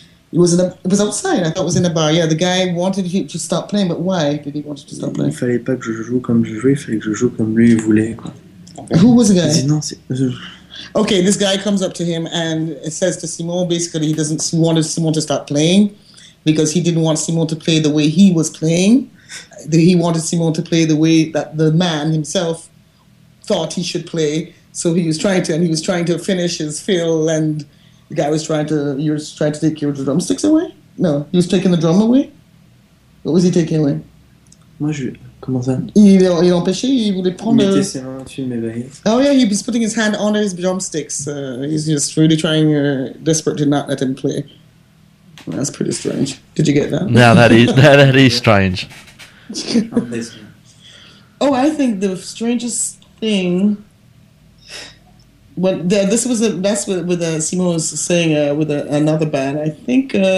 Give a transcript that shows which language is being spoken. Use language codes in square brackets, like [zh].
[en] It was outside, I thought it was in a bar. Yeah, the guy wanted you to stop playing, but why did he want you to stop playing? [fr] Il fallait pas que je joue comme je jouais, il fallait que je joue comme lui voulait, quoi. [en] Who was the guy? [fr] Non, c'est... [en] Okay, this guy comes up to him and says to Simon, basically he wanted Simon to start playing because he didn't want Simon to play the way he was playing. He wanted Simon to play the way that the man himself thought he should play. So he was trying to, and he was trying to finish his fill, and the guy was trying to, you were trying to take your drumsticks away? No, he was taking the drum away? What was he taking away? [fr] Moi, je... Comment ça? Il empêchait, il voulait prendre... Il mettait ses mains dessus de mes baguettes. [en] Oh yeah, he was putting his hand on his drumsticks. He's just really trying, desperate to not let him play. That's pretty strange. Did you get that? Now that is strange. Oh, I think the strangest thing... This was with Simon saying, with another band. I think...